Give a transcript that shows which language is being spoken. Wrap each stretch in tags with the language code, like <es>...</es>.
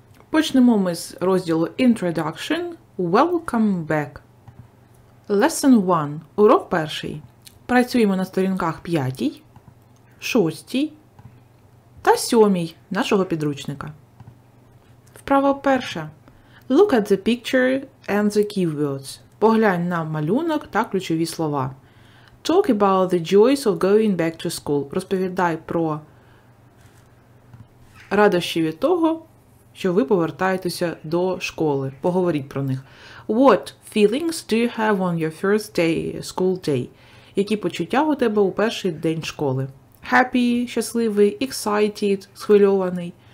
<uk>Почнемо ми з розділу</uk> <en>Introduction Welcome Back. Lesson 1.</en> <uk>Урок перший. Працюємо на сторінках 5, 6 та 7 нашого підручника. Вправа перша.</uk> <en>Look at the picture and the keywords.</en> <uk>Поглянь на малюнок та ключові слова.</uk> <en>Talk about the joys of going back to school.</en> <uk>Розповідай про радощі від того, що ви повертаєтеся до школи. Поговоріть про них.</uk> <en>What feelings do you have on your first day, school day?</en> <uk>Які почуття у тебе у перший день школи? Happy, щасливий, excited, схвильований.</uk>